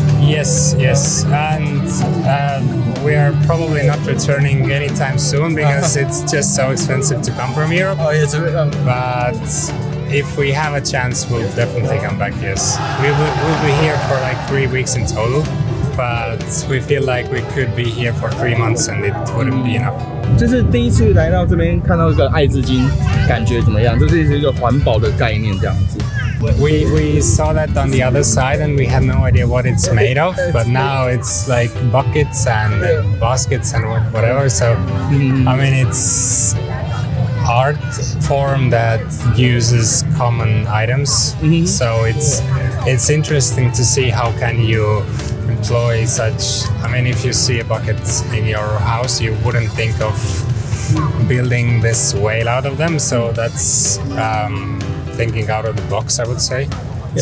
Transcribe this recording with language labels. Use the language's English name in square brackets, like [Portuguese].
[English] Yes, yes, and we are probably not returning anytime soon because it's just so expensive to come from Europe. Oh, yes, but if we have a chance, we'll definitely come back, yes. We'll be here for like 3 weeks in total, but we feel like we could be here for 3 months and it wouldn't be enough. [Chinese] 就是第一次来到这边看到这个爱之金，感觉怎么样？就是一个环保的概念这样子。 [English] We saw that on the other side and we had no idea what it's made of, but now it's like buckets and baskets and whatever, so I mean it's art form that uses common items, so it's interesting to see how can you employ such, I mean if you see a bucket in your house, you wouldn't think of building this whale out of them, so that'sthinking out of the box, I would say.、Yeah.